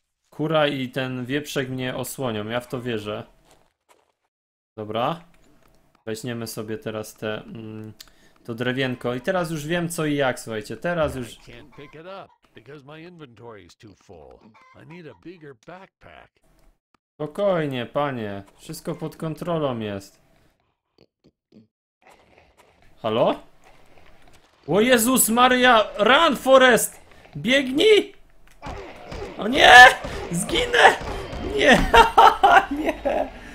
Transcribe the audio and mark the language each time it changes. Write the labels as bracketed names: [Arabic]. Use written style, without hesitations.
[Polish] Kura i ten wieprzek mnie osłonią. Ja w to wierzę. Dobra. Weźmiemy sobie teraz te... to drewienko. I teraz już wiem co i jak, słuchajcie. Teraz już... [English] Because my inventory is too full. I need a bigger backpack. [Polish] Spokojnie, panie. Wszystko pod kontrolą jest. Halo? O Jezus Maria! Run, Forest! Biegnij! O nie! Zginę! Nie! Nie!